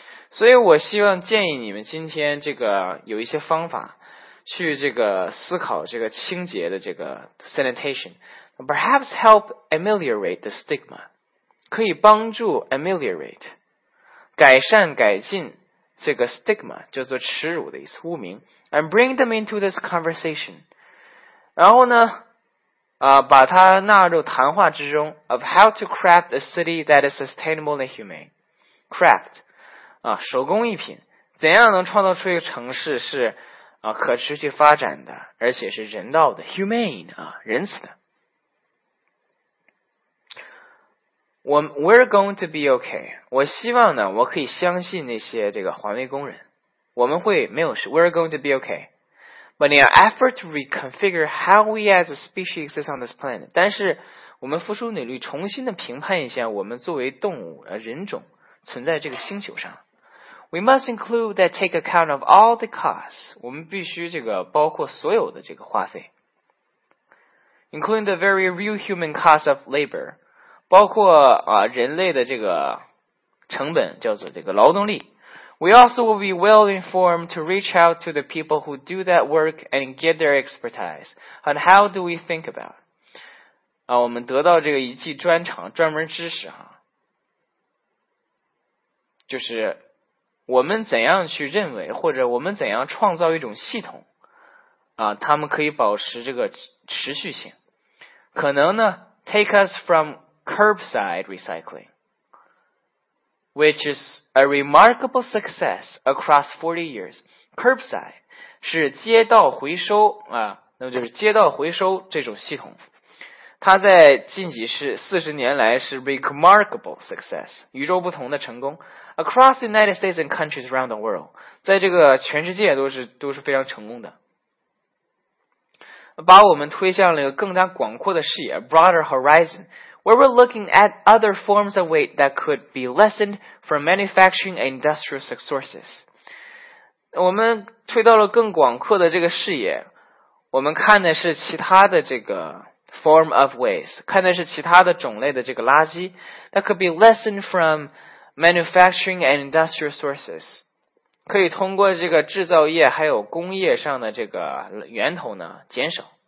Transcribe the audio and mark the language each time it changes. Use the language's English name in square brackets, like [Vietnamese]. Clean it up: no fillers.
[Chinese] 所以我希望建议你们今天这个有一些方法去这个思考这个清洁的这个 sanitation, [English] Perhaps help ameliorate the stigma. [Chinese] 可以帮助 ameliorate, 改善改进这个 stigma, 叫做耻辱的意思污名 [English] and bring them into this conversation. [Chinese] 然后呢、把它纳入谈话之中 [English] of how to craft a city that is sustainable and humane. [Chinese] Craft,、手工艺品怎样能创造出一个城市是、可持续发展的而且是人道的 humane,、仁慈的。 [English] We're going to be okay. [Chinese] 我希望呢，我可以相信那些这个环卫工人，我们会没有事。 [English] We're going to be okay. But in our effort to reconfigure how we as a species exist on this planet, [Chinese] 但是我们付出努力重新的评判一下我们作为动物人种存在这个星球上。 [English] We must include that take account of all the costs. [Chinese] 我们必须这个包括所有的这个花费 [English] ，including the very real human cost of labor. [Chinese] 包括、人类的这个成本叫做这个劳动力。 [English] We also will be well informed to reach out to the people who do that work and get their expertise on how do we think about.、 [Chinese] 我们得到这个一技专长专门知识哈。就是我们怎样去认为或者我们怎样创造一种系统、他们可以保持这个持续性。可能呢 [English] take us from,Curbside recycling, which is a remarkable success across 40 years. [Chinese] Curbside 是街道回收啊，那么就是街道回收这种系统。他在近几世40年来是 [English] remarkable success, [Chinese] 与众不同的成功 [English] across the United States and countries around the world, [Chinese] 在这个全世界都是非常成功的。把我们推向了一个更加广阔的视野 [English] broader horizon, where we're looking at other forms of weight that could be lessened from manufacturing and industrial sources. [Chinese] 我们推到了更广阔的这个视野，我们看的是其他的这个 [English] form of waste, [Chinese] 看的是其他的种类的这个垃圾 [English] that could be lessened from manufacturing and industrial sources, [Chinese] 可以通过这个制造业还有工业上的这个源头呢减少。